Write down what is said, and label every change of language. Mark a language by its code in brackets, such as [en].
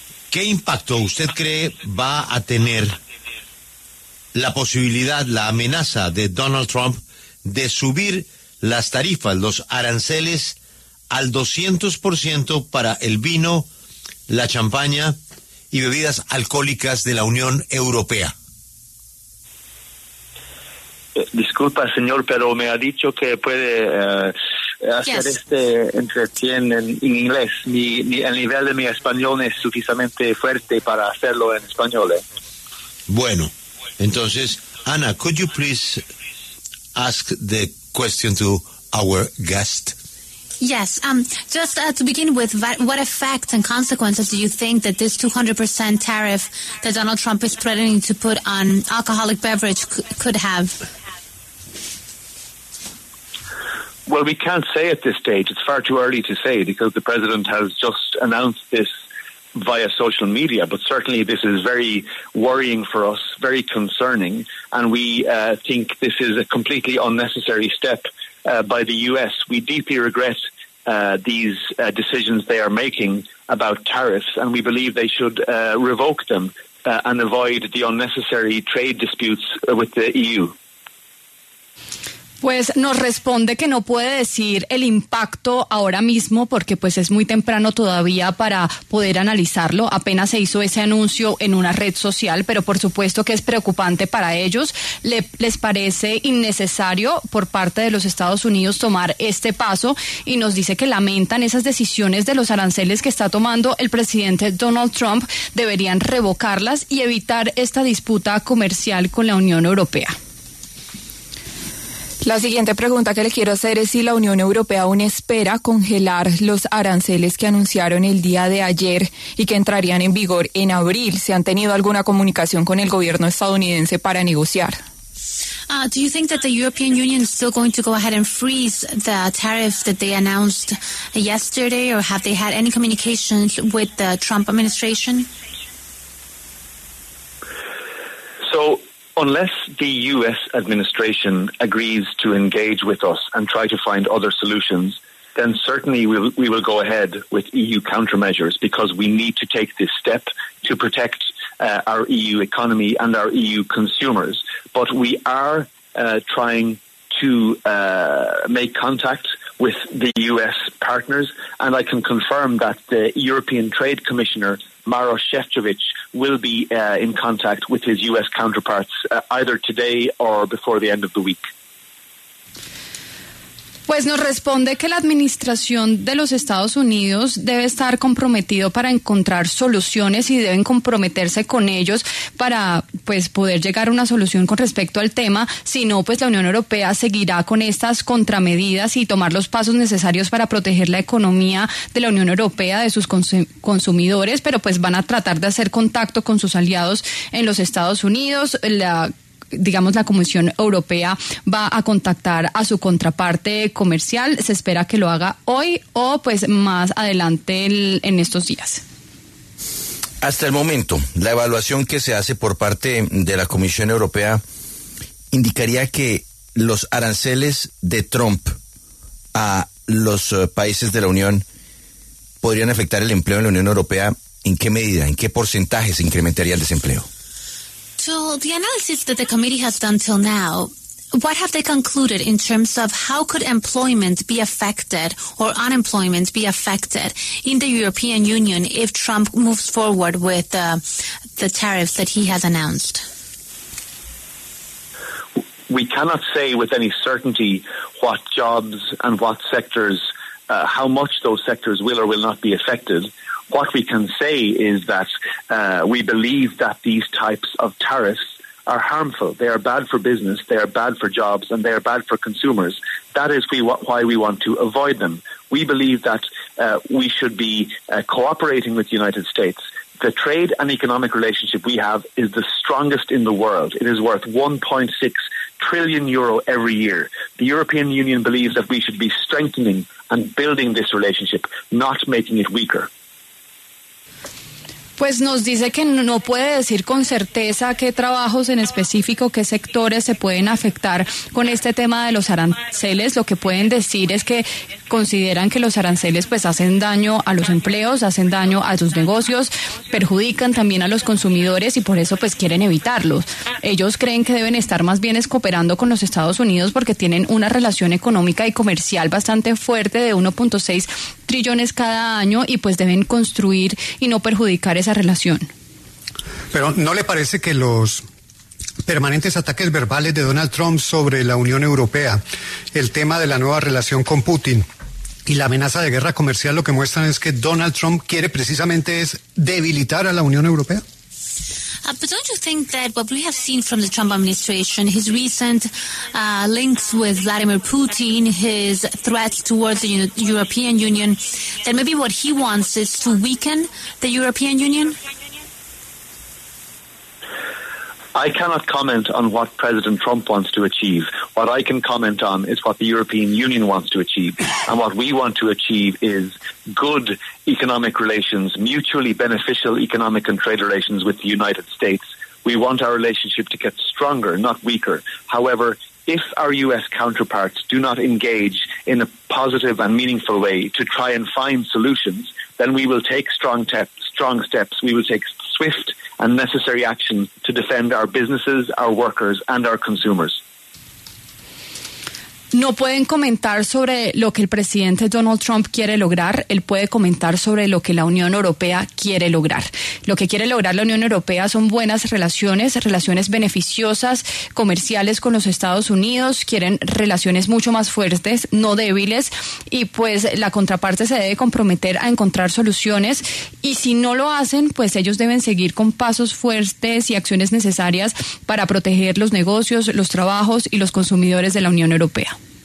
[es] ¿Qué impacto usted cree va a tener la posibilidad, la amenaza de Donald Trump de subir las tarifas, los aranceles, al 200% para el vino, la champaña y bebidas alcohólicas de la Unión Europea? Disculpa, señor, pero me ha dicho que puede hacer este entretien en inglés. El nivel de mi español es suficientemente fuerte para hacerlo en español. Bueno, entonces, [en] Ana, could you please ask the question to our guest? Yes. Just to begin with, what effects and consequences do you think that this 200% tariff that Donald Trump is threatening to put on alcoholic beverage could have? Well, we can't say at this stage. It's far too early to say because the president has just announced this via social media. But certainly this is very worrying for us, very concerning. And we think this is a completely unnecessary step by the U.S. We deeply regret these decisions they are making about tariffs, and we believe they should revoke them and avoid the unnecessary trade disputes with the EU. [es] Pues nos responde que no puede decir el impacto ahora mismo porque pues es muy temprano todavía para poder analizarlo. Apenas se hizo ese anuncio en una red social, pero por supuesto que es preocupante para ellos. Les parece innecesario por parte de los Estados Unidos tomar este paso y nos dice que lamentan esas decisiones de los aranceles que está tomando el presidente Donald Trump. Deberían revocarlas y evitar esta disputa comercial con la Unión Europea. La siguiente pregunta que le quiero hacer es si la Unión Europea aún espera congelar los aranceles que anunciaron el día de ayer y que entrarían en vigor en abril. ¿Se han tenido alguna comunicación con el gobierno estadounidense para negociar? [en] Do you think that the European Union is still going to go ahead and freeze the tariffs that they announced yesterday, or have they had any communications with the Trump administration? So, unless the U.S. administration agrees to engage with us and try to find other solutions, then certainly we will go ahead with EU countermeasures because we need to take this step to protect our EU economy and our EU consumers. But we are trying to make contact with the U.S. partners, and I can confirm that the European Trade Commissioner, Maros Šefčovič, will be in contact with his U.S. counterparts either today or before the end of the week. [es] Pues nos responde que la administración de los Estados Unidos debe estar comprometido para encontrar soluciones y deben comprometerse con ellos para pues poder llegar a una solución con respecto al tema. Si no, pues la Unión Europea seguirá con estas contramedidas y tomar los pasos necesarios para proteger la economía de la Unión Europea, de sus consumidores, pero pues van a tratar de hacer contacto con sus aliados en los Estados Unidos. Digamos, la Comisión Europea va a contactar a su contraparte comercial. Se espera que lo haga hoy o pues más adelante en estos días. Hasta el momento, la evaluación que se hace por parte de la Comisión Europea indicaría que los aranceles de Trump a los países de la Unión podrían afectar el empleo en la Unión Europea. ¿En qué medida, en qué porcentaje se incrementaría el desempleo? [en] So the analysis that the committee has done till now, what have they concluded in terms of how could employment be affected or unemployment be affected in the European Union if Trump moves forward with the tariffs that he has announced? We cannot say with any certainty what jobs and what sectors, how much those sectors will or will not be affected. What we can say is that we believe that these types of tariffs are harmful. They are bad for business, they are bad for jobs, and they are bad for consumers. That is why we want to avoid them. We believe that we should be cooperating with the United States. The trade and economic relationship we have is the strongest in the world. It is worth $1.6 trillion euro every year. The European Union believes that we should be strengthening and building this relationship, not making it weaker. [es] Pues nos dice que no puede decir con certeza qué trabajos en específico, qué sectores se pueden afectar con este tema de los aranceles. Lo que pueden decir es que consideran que los aranceles pues hacen daño a los empleos, hacen daño a sus negocios, perjudican también a los consumidores y por eso pues quieren evitarlos. Ellos creen que deben estar más bien cooperando con los Estados Unidos porque tienen una relación económica y comercial bastante fuerte de 1.6 trillones cada año y pues deben construir y no perjudicar esa relación. Pero ¿no le parece que los permanentes ataques verbales de Donald Trump sobre la Unión Europea, el tema de la nueva relación con Putin y la amenaza de guerra comercial lo que muestran es que Donald Trump quiere precisamente es debilitar a la Unión Europea? [en] But don't you think that what we have seen from the Trump administration, his recent links with Vladimir Putin, his threats towards the European Union, that maybe what he wants is to weaken the European Union? I cannot comment on what President Trump wants to achieve. What I can comment on is what the European Union wants to achieve. And what we want to achieve is good economic relations, mutually beneficial economic and trade relations with the United States. We want our relationship to get stronger, not weaker. However, if our U.S. counterparts do not engage in a positive and meaningful way to try and find solutions, then we will take strong steps. We will take swift and necessary action to defend our businesses, our workers, and our consumers. [es] No pueden comentar sobre lo que el presidente Donald Trump quiere lograr, él puede comentar sobre lo que la Unión Europea quiere lograr. Lo que quiere lograr la Unión Europea son buenas relaciones, relaciones beneficiosas, comerciales con los Estados Unidos, quieren relaciones mucho más fuertes, no débiles, y pues la contraparte se debe comprometer a encontrar soluciones, y si no lo hacen, pues ellos deben seguir con pasos fuertes y acciones necesarias para proteger los negocios, los trabajos y los consumidores de la Unión Europea.